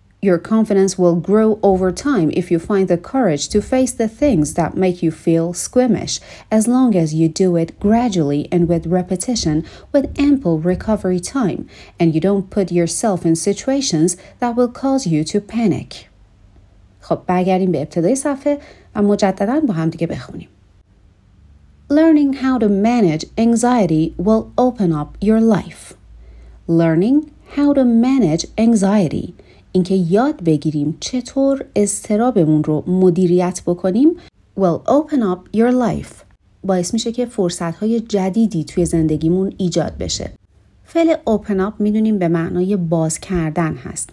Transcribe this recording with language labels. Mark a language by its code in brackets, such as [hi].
[en] Your confidence will grow over time if you find the courage to face the things that make you feel squeamish, as long as you do it gradually and with repetition, with ample recovery time, and you don't put yourself in situations that will cause you to panic. [fa] خب برگردیم به ابتدای صفحه و مجدداً با هم دیگه بخونیم. [en] Learning how to manage anxiety will open up your life. Learning how to manage anxiety. [fa] اینکه یاد بگیریم چطور اضطرابمون رو مدیریت بکنیم [en] will open up your life. [fa] باعث میشه که فرصت‌های جدیدی توی زندگیمون ایجاد بشه. فعل open up میدونیم به معنای باز کردن هست.